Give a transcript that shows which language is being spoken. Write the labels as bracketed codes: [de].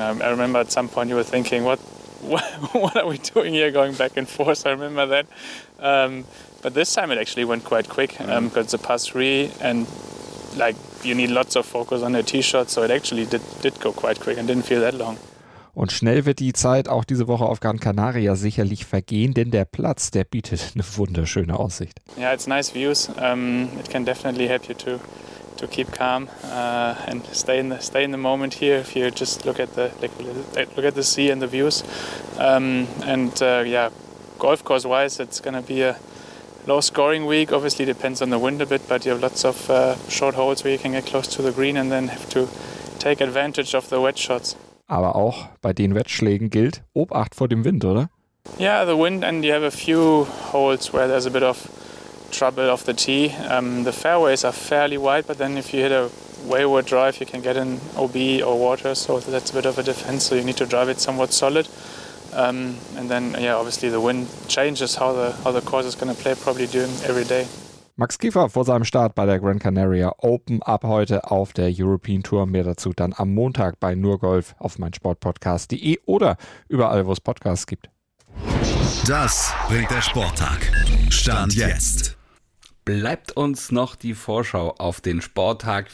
[en] I remember at some point you were thinking, what are we doing here going back and forth? I remember that. But this time it actually went quite quick because mm-hmm. It's a par 3 and like you need lots of focus on the tee shot. So it actually did go quite quick and didn't feel that long. [de] Und schnell wird die Zeit auch diese Woche auf Gran Canaria sicherlich vergehen, denn der Platz, der bietet eine wunderschöne Aussicht. [en] Yeah, it's nice views. It can definitely help you to keep calm and stay in the moment here. If you just look at the sea and the views. Golf course wise, it's gonna be a low scoring week. Obviously depends on the wind a bit, but you have lots of short holes where you can get close to the green and then have to take advantage of the wet shots. [de] Aber auch bei den Wettschlägen gilt Obacht vor dem Wind, oder? [en] Yeah, the wind, and you have a few holes where there's a bit of trouble off the tee. The fairways are fairly wide, but then if you hit a wayward drive, you can get an OB or water, so that's a bit of a defense, so you need to drive it somewhat solid. And then, yeah, obviously the wind changes how the course is going to play probably during every day. [de] Max Kiefer vor seinem Start bei der Gran Canaria Open ab heute auf der European Tour. Mehr dazu dann am Montag bei Nur Golf auf meinsportpodcast.de oder überall, wo es Podcasts gibt. Das bringt der Sporttag. Stand jetzt. Bleibt uns noch die Vorschau auf den Sporttag.